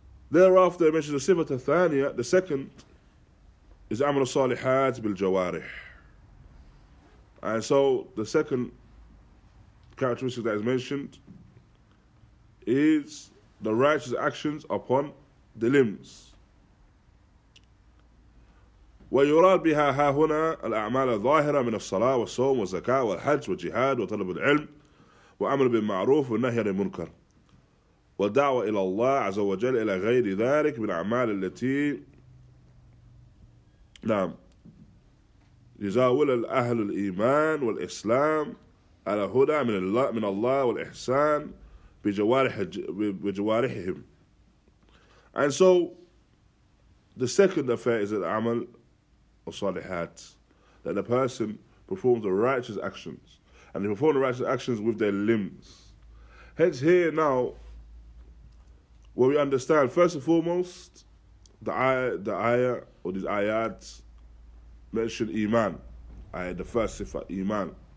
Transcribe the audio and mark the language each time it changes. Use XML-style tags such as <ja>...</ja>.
<en>Thereafter, it mentions the sifat al-thaniya, the second, is amal al-salihat bil-jawarih. And so, the second characteristic that is mentioned is the righteous actions upon the limbs.</en> <ar>وَيُرَادْ بِهَا هَا هُنَا الْأَعْمَالَ الظَّاهِرَةَ مِنَ الصَّلَاةِ وَالصَّوْمِ وَالزَّكَاةِ وَالْحَجِّ وَالْجِهَادِ وَطَلَبُ الْعِلْمِ وَعَمَلُ بِالْمَعْرُوفِ وَالنَّهْيَ عَنِ الْمُنْكَرِ والدعوة إلى الله عز وجل إلى غير ذلك من الأعمال التي نعم يزاول الأهل الإيمان والإسلام على هدى من الله من الله والإحسان بجوارحهم.</ar> <en>And so the second affair is العمل الصالحات, that the person performs the righteous actions, and they perform the righteous actions with their limbs. Hence here now, where we understand, first and foremost, the ayah, or these ayat, mention iman, ayah, the first sifat, iman.</en>